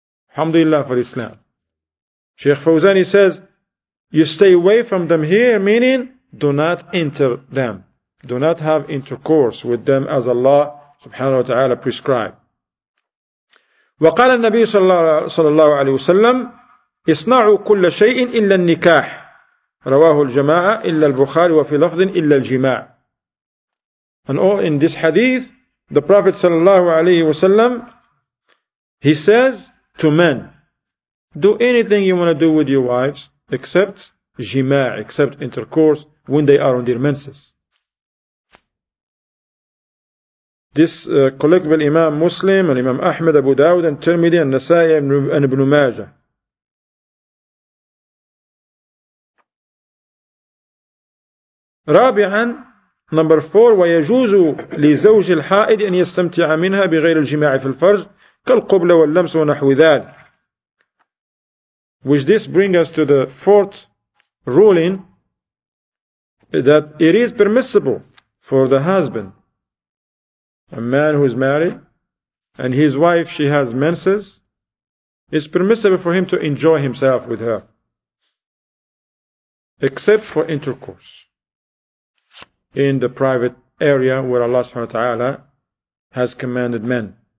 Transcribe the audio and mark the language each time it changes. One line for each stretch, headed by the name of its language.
English: Alhamdulillah for Islam. Sheikh Fawzani says, you stay away from them here, meaning do not enter them. Do not have intercourse with them as Allah subhanahu wa ta'ala prescribed.
Arabic: وَقَالَ النَّبِيُّ صَلَّى اللَّهُ عَلَيْهِ وَسَلَّمُ اصنعوا كل شيء إلا النكاح رواه الجماعة إلا البخاري وفي لفظ إلا الجماع.
English: And all in this hadith, the Prophet صلى الله عليه وسلم, he says to men, do anything you want to do with your wives except جماع, except intercourse when they are on their menses. This colloquial Imam Muslim and Imam Ahmed, Abu Dawud and Tirmidhi and Nasai and Ibn Majah.
Arabic: رابعا
English: number 4
Arabic: ويجوز لزوج الحائض أن يستمتع منها بغير الجماع في الفرج كالقبلة واللمس ونحو ذلك.
English: Which this brings us to the fourth ruling, that it is permissible for the husband, a man who is married and his wife she has menses, it's permissible for him to enjoy himself with her except for intercourse in the private area where Allah subhanahu wa ta'ala has commanded men.